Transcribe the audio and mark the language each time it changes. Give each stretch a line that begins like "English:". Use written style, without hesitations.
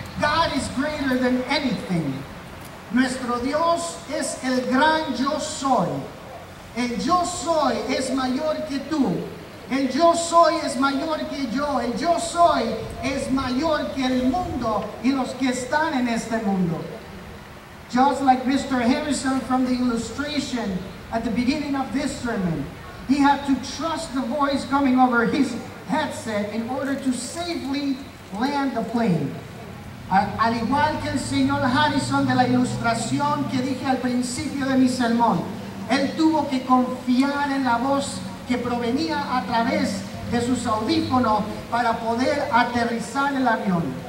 English: God is greater than anything.
Spanish: Nuestro Dios es el gran yo soy. El yo soy es mayor que tú. El yo soy es mayor que yo. El yo soy es mayor que el mundo y los que están en este mundo.
English: Just like Mr. Harrison from the illustration at the beginning of this sermon, he had to trust the voice coming over his headset in order to safely land the plane.
Spanish: Al igual que el señor Harrison de la ilustración que dije al principio de mi sermón, él tuvo que confiar en la voz que provenía a través de sus audífonos para poder aterrizar el avión.